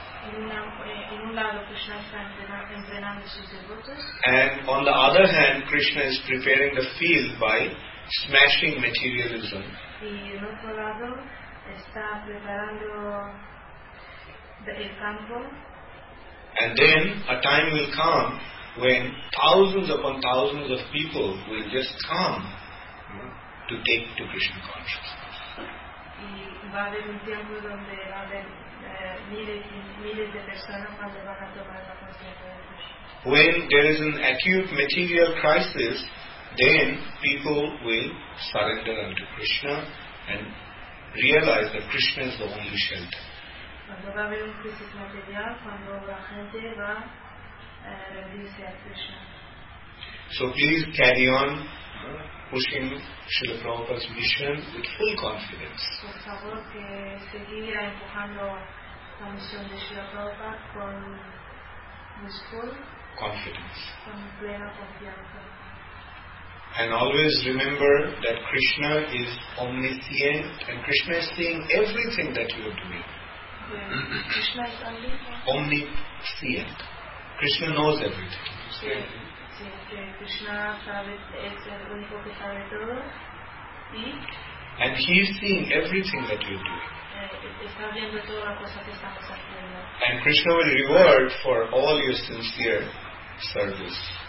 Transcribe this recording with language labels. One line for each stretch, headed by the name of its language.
Spanish: En un lado, Krishna está entrenando sus devotos.
English: And on the other hand, Krishna is preparing the field by smashing materialism.
Spanish: Y en otro lado, está preparando el campo.
English: And then a time will come when thousands upon thousands of people will just come to take to Krishna consciousness.
Spanish: Y va a haber un tiempo donde va a haber miles de personas cuando van a tomar la conciencia.
English: When there is an acute material crisis, then people will surrender unto Krishna and realize that Krishna is the only shelter.
Spanish: Cuando va a haber un crisis material, cuando la gente va a rendirse a Krishna.
English: So please carry on pushing Srila Prabhupada's mission with full confidence.
Spanish: Por favor, que seguirá empujando la misión de Srila Prabhupada con
English: full confidence.
Spanish: Con plena confianza.
English: And always remember that Krishna is omniscient and Krishna is seeing everything that you are doing. Krishna is omniscient. Krishna knows everything.
Spanish: Sí, Krishna sabe, es el único que sabe todo. ¿Y?
English: And he is seeing everything that you are doing.
Spanish: Está viendo toda la cosa que estamos haciendo.
English: And Krishna will reward for all your sincere service.